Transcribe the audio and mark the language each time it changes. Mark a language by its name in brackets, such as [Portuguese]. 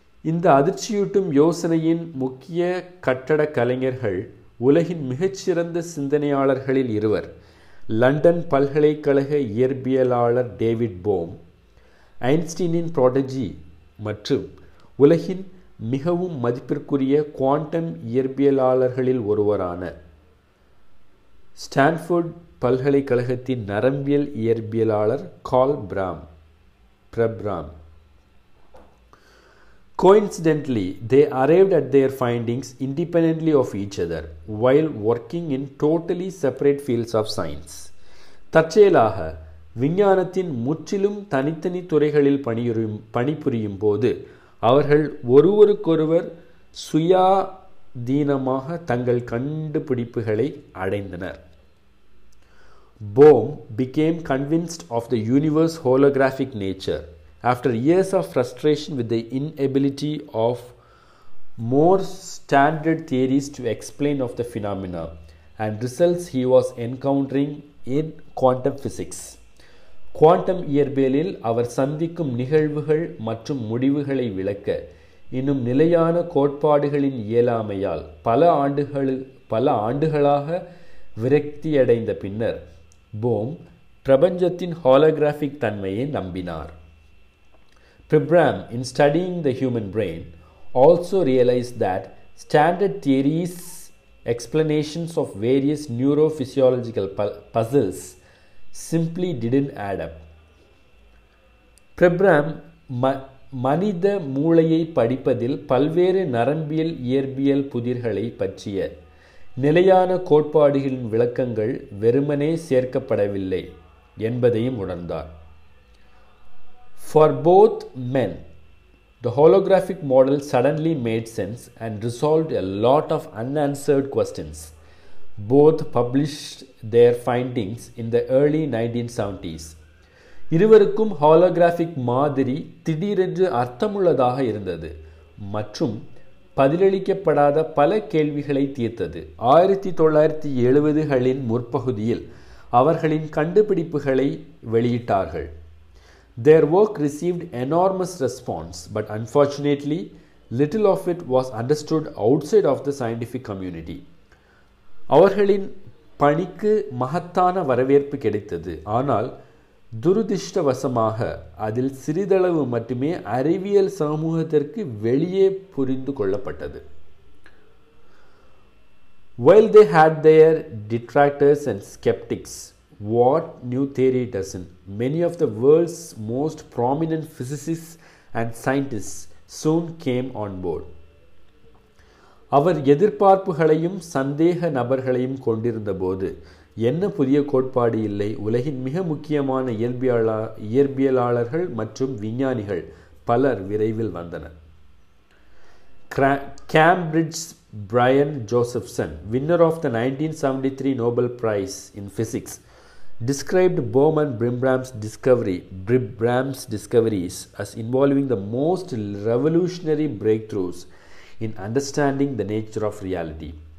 [Tamil] இந்த அதிர்ச்சியூட்டும் யோசனையின் முக்கிய கட்டட கலைஞர்கள் உலகின் மிகச்சிறந்த சிந்தனையாளர்களில் இருவர், லண்டன் பல்கலைக்கழக இயற்பியலாளர் டேவிட் போம், ஐன்ஸ்டீனின் ப்ரோடஜி மற்றும் உலகின் மிகவும் மதிப்பிற்குரிய குவாண்டம் இயற்பியலாளர்களில் ஒருவரான ஸ்டான்ஃபோர்ட் பல்கலைக்கழகத்தின் நரம்பியல் இயற்பியலாளர் curl பிரபிராம். [English] Coincidentally, they arrived at their findings independently of each other while working in totally separate fields of science. [Tamil] தற்செயலாக விஞ்ஞானத்தின் முற்றிலும் தனித்தனி துறைகளில் பணிபுரியும் போது அவர்கள் ஒருவருக்கொருவர் சுயாதீனமாக தங்கள் கண்டுபிடிப்புகளை அடைந்தனர். [English] Bohm became convinced of the universe's holographic nature after years of frustration with the inability of more standard theories to explain of the phenomena and results he was encountering in quantum physics. [Tamil] Quantum இயற்பியலில் அவர் சந்திக்கும் நிகழ்வுகள் மற்றும் முடிவுகளை விளக்க இன்னும் நிலையான கோட்பாடுகளின் இயலாமையால் பல ஆண்டுகளாக விரக்தியடைந்த பின்னர் போம் பிரபஞ்சத்தின் ஹாலோகிராஃபிக் தன்மையை நம்பினார். [English] Bibram, in studying the human brain, also realized that standard theories, explanations of various neurophysiological puzzles simply didn't add up. [Tamil] Bibram, மனித மூளையை படிப்பதில் பல்வேறு நரம்பியல் இயற்பியல் புதிர்களை பற்றிய நிலையான கோட்பாடுகளின் விளக்கங்கள் வெறுமனே சேர்க்கப்படவில்லை என்பதையும் உணர்ந்தார். [English] For both men, the holographic model suddenly made sense and resolved a lot of unanswered questions. Both published their findings in the early 1970s. [Tamil] இருவருக்கும் ஹாலோகிராஃபிக் மாதிரி திடீரென்று அர்த்தமுள்ளதாக இருந்தது மற்றும் பதிலளிக்கப்படாத பல கேள்விகளை தீர்த்தது. 1970களின் முற்பகுதியில் அவர்களின் கண்டுபிடிப்புகளை வெளியிட்டார்கள். [English] Their work received enormous response, but unfortunately, little of it was understood outside of the scientific community. [Tamil] அவர்களின் பணிக்கு மகத்தான வரவேற்பு கிடைத்தது, ஆனால் துரதிருஷ்டவசமாக அதில் சிறிதளவு மட்டுமே அறிவியல் சமூகத்திற்கு வெளியே புரிந்து கொள்ளப்பட்டது. [English] While they had their detractors and skeptics, what new theory doesn't? Many of the world's most prominent physicists and scientists soon came on board. [Tamil] அவர் எதிர்பார்ப்புகளையும் சந்தேக நபர்களையும் கொண்டிருந்த போது என்ன புதிய கோட்பாடு இல்லை, உலகின் மிக முக்கியமான இயற்பியலாளர்கள் மற்றும் விஞ்ஞானிகள் பலர் விரைவில் வந்தனர். [English] Cambridge Brian Josephson, winner of the 1973 Nobel prize in physics, described Bohm and Bibram's discoveries as involving the most revolutionary breakthroughs in understanding the nature of reality.